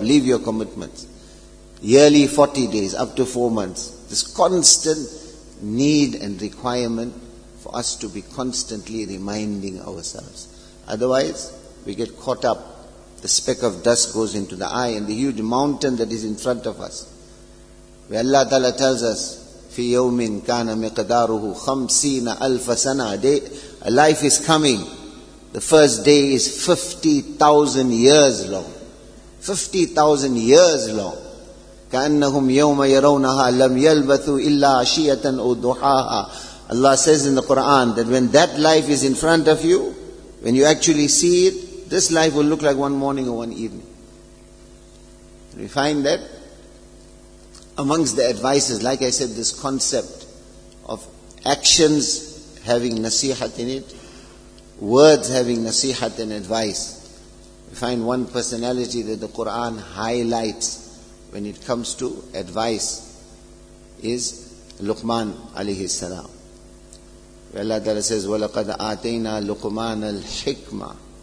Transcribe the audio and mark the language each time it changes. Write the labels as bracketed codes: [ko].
[en] Leave your commitments. Yearly 40 days. Up to 4 months. This constant need and requirement for us to be constantly reminding ourselves. Otherwise, we get caught up. The speck of dust goes into the eye and the huge mountain that is in front of us. Where Allah Ta'ala tells us, [ar] فِي يَوْمٍ كَانَ مِقَدَارُهُ خَمْسِينَ أَلْفَ سَنَةٍ. [en] A life is coming. The first day is 50,000 years long. 50,000 years long. [ar] كَأَنَّهُمْ يَوْمَ يَرَوْنَهَا لَمْ يَلْبَثُوا إِلَّا عَشِيَةً أَوْ ضُحَاهَا. [en] Allah says in the Quran that when that life is in front of you, when you actually see it, this life will look like one morning or one evening. We find that amongst the advices, like I said, this concept of actions having nasihat in it, words having nasihat and advice. We find one personality that the Quran highlights when it comes to advice is Luqman alayhi salam. Allah Ta'ala says, [ar] وَلَقَدْ آتَيْنَا لُقْمَانَ الْحِكْمَةِ.